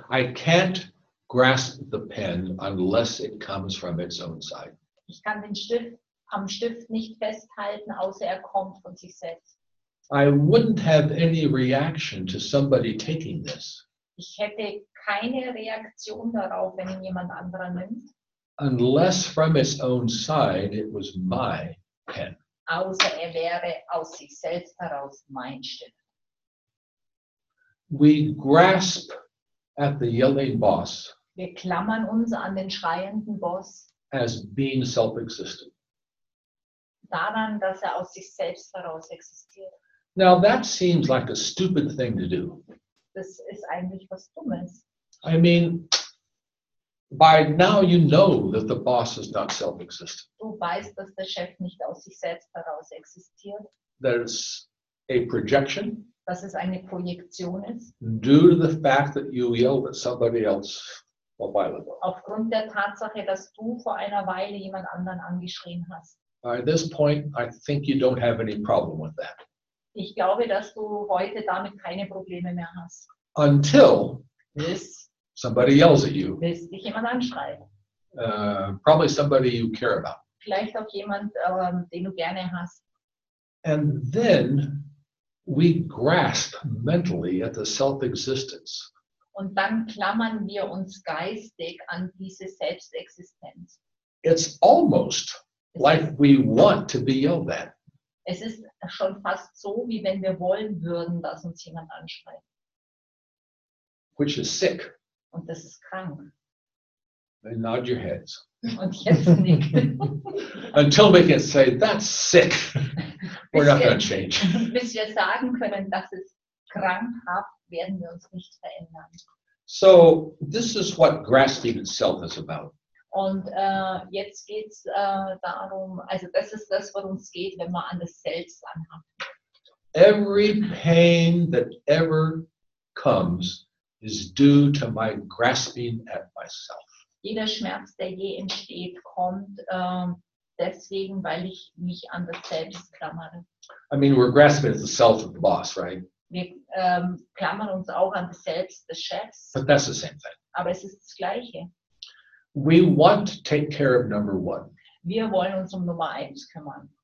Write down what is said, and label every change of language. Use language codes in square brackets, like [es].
[en] I can't grasp the pen unless it comes from its own side. [de] Ich kann den Stift am Stift nicht festhalten, außer er kommt von sich selbst. [en] I wouldn't have any reaction to somebody taking this. [de] Ich hätte keine Reaktion darauf, wenn ihn jemand anderer nimmt. [en] Unless from its own side it was my pen. [de] Außer er wäre aus sich selbst heraus mein Stift. [en] We grasp at the yelling boss. [de] Wir klammern uns an den schreienden Boss. [en] As being self-existent. [de] Daran, dass er aus sich selbst heraus existiert. [en] Now that seems like a stupid thing to do. [de] Das ist eigentlich was Dummes. [en] I mean, by now you know that the boss is not self-existent. [de] Du weißt, dass der Chef nicht aus sich selbst heraus existiert. [en] There's a projection. [de] Dass es eine Projektion ist. [en] Due to the fact that you yelled at somebody else a while ago. [de] Aufgrund der Tatsache, dass du vor einer Weile jemand anderen angeschrien hast. [en] By this point, I think you don't have any problem with that. [de] Ich glaube, dass du heute damit keine Probleme mehr hast. [en] Until somebody yells at you. [de] Bis dich jemand anschreit. [en] Probably somebody you care about. [de] Vielleicht auch jemand, den du gerne hast. [en] And then we grasp mentally at the self-existence. [de] Und dann klammern wir uns geistig an diese Selbstexistenz. [en] It's almost like we want to be yelled at. [de] Es ist schon fast so, wie wenn wir wollen würden, dass uns jemand anschreit. [en] Which is sick. [de] Und das ist krank. [en] And nod your heads. [de] Und jetzt nicht. [en] Until we can say, that's sick. We're not going to change. [de] Bis wir sagen können, dass es krankhaft, werden wir uns nicht verändern. [en] So, this is what grasping itself is about. [de] Und jetzt geht es darum, also das ist das, worum es geht, wenn man an das Selbst anhaftet. [en] Every pain that ever comes is due to my grasping at myself. [de] Jeder Schmerz, der je entsteht, kommt deswegen, weil ich mich an das Selbst klammere. [en] I mean, we're grasping at the self of the boss, right? [de] Wir klammern uns auch an das Selbst des Chefs. [en] But that's the same thing. [de] Aber es ist das Gleiche. [en] We want to take care of number one. [de] Wir wollen uns um Nummer eins kümmern.